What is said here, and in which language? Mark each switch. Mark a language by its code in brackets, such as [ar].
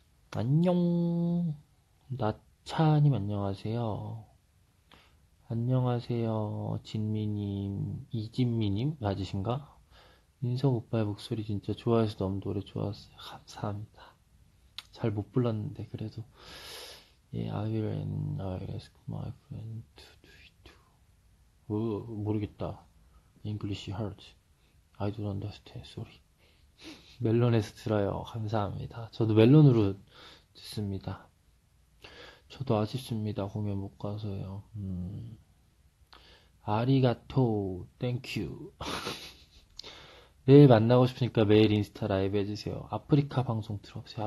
[ko] 안녕. 나차님, 안녕하세요. 안녕하세요. 진미님, 이진미님 맞으신가? 인석 오빠의 목소리 진짜 좋아해서 너무 노래 좋았어요. 감사합니다. 잘못 불렀는데, 그래도. [en] 예, I will and I ask my friend to do it too. [ko] 모르겠다. [en] English hurts. I don't understand, sorry. [ko] 멜론에서 들어요. 감사합니다. 저도 멜론으로 듣습니다. 저도 아쉽습니다. 공연 못 가서요. 아리가토, 땡큐. 매일 만나고 싶으니까 매일 인스타 라이브 해주세요. 아프리카 방송 들어보세요.